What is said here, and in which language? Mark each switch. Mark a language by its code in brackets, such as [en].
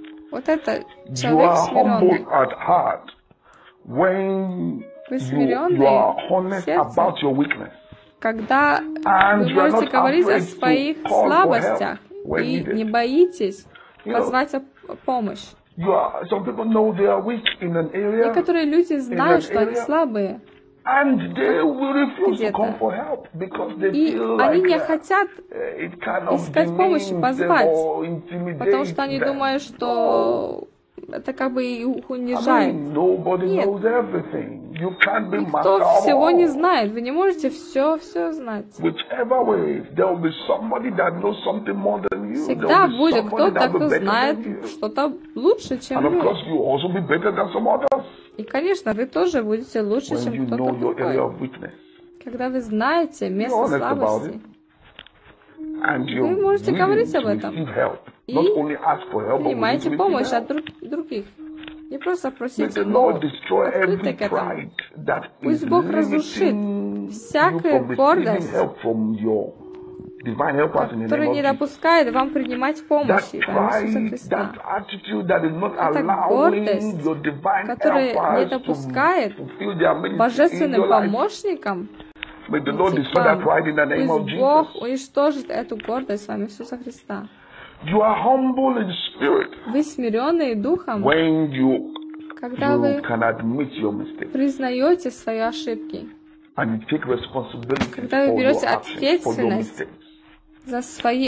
[ru] Вот это человек смиренный. Вы смиренный, когда вы можете говорить о своих слабостях и не боитесь позвать о помощь. [en] Some people know they are weak in an area. [ru] Некоторые люди знают, что они слабые. [en] And they will refuse to come for help because they feel like [ru] они не хотят искать помощи, позвать, потому что они думают, что это как бы их унижает. [en] Nobody knows everything. You can't be master. [ru] Никто всего не знает. Вы не можете все знать. [en] Whichever way, there will be somebody that knows something more than you. [ru] Всегда будет кто-то, кто знает что-то лучше, чем вы. [en] And of course, you also be better than some others. [ru] И конечно, вы тоже будете лучше, чем кто-то другой. [en] When you know your area of weakness. [ru] Когда вы знаете место слабости, вы можете говорить об этом и принимаете помощь от других. Не просто просите, но открыто к этому. Пусть Бог разрушит всякую гордость, которая не допускает вам принимать помощь во имя Иисуса Христа. Это гордость, которая не допускает божественным помощникам. [en] May the Lord destroy that pride in the name of Jesus. [ru] Бог уничтожит эту гордость во имя Иисуса Христа. [en] You are humble in spirit. [ru] Вы смиренные духом. [en] When you, [ru] когда [en] you [ru] вы [en] can admit your mistake. [ru] Признаете свои ошибки. [en] And you take responsibility [ru] когда вы берете ответственность за свои